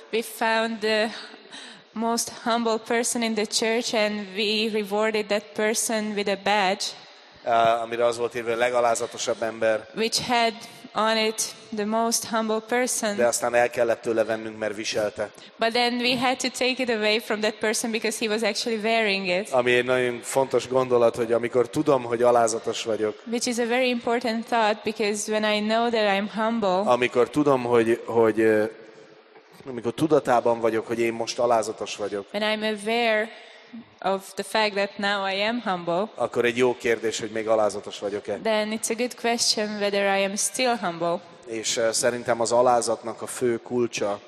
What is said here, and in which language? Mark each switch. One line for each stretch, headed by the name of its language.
English: We found the most humble person in the church and we rewarded that person with a badge.
Hungarian: Amire az volt írva, a legalázatosabb ember.
English: Which had on it the most humble person.
Hungarian: De aztán el kellett tőle vennünk, mert viselte.
English: But then we had to take it away from that person because he was actually wearing it.
Hungarian: Ami egy nagyon fontos gondolat, hogy amikor tudom, hogy alázatos vagyok.
English: Which is a very important thought because when I know that I'm humble.
Hungarian: Amikor tudom, hogy amikor tudatában vagyok, hogy én most alázatos vagyok.
English: When I'm aware of the fact that now I am humble.
Hungarian: Akkor egy jó kérdés, hogy még alázatos vagyok-e.
English: Then it's a good question whether I am still humble.
Hungarian: És szerintem az alázatnak a fő kulcsa.